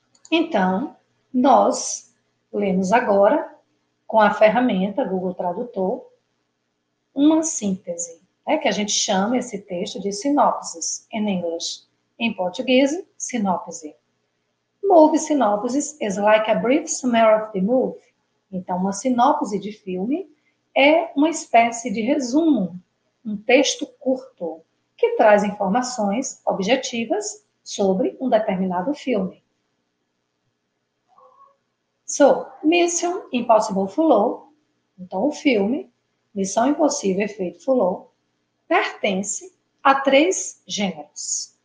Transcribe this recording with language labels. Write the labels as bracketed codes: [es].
[pt] Então, nós lemos agora, com a ferramenta Google Tradutor, uma síntese, né, que a gente chama esse texto de sinopsis, [en] in English. [pt] Em português, sinopse. [en] Movie synopsis is like a brief summary of the movie. [pt] Então, uma sinopse de filme é uma espécie de resumo, um texto curto, que traz informações objetivas sobre um determinado filme. So, Mission Impossible Fallout, então o filme, Missão Impossível Efeito Fallout, pertence a três gêneros.